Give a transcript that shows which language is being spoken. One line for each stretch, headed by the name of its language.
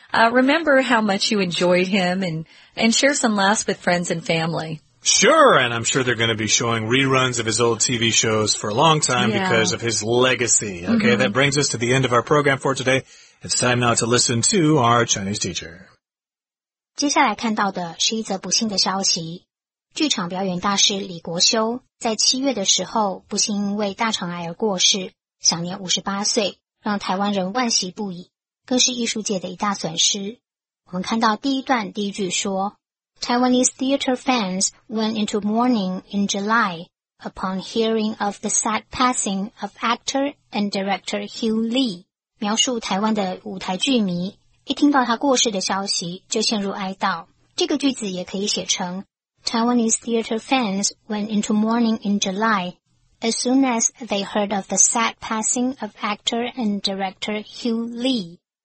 English: remember how much you enjoyed him and share some laughs with friends and family. Sure, and I'm sure they're going to be showing reruns of his old TV shows for a long time because of his legacy. Okay, that brings us to the end of our program for today. It's time now to listen to our Chinese teacher.
Chinese: 接下来看到的是一则不幸的消息。剧场表演大师李国修在七月的时候不幸因为大肠癌而过世，享年58岁，让台湾人惋惜不已，更是艺术界的一大损失。我们看到第一段第一句说
English: Taiwanese theater fans went into mourning in July upon hearing of the sad passing of actor and director Hugh Lee.
Chinese: 描述台湾的舞台剧迷一听到他过世的消息就陷入哀悼。这个句子也可以写成
English: Taiwanese theater fans went into mourning in July as soon as they heard of the sad passing of actor and director Hugh Lee.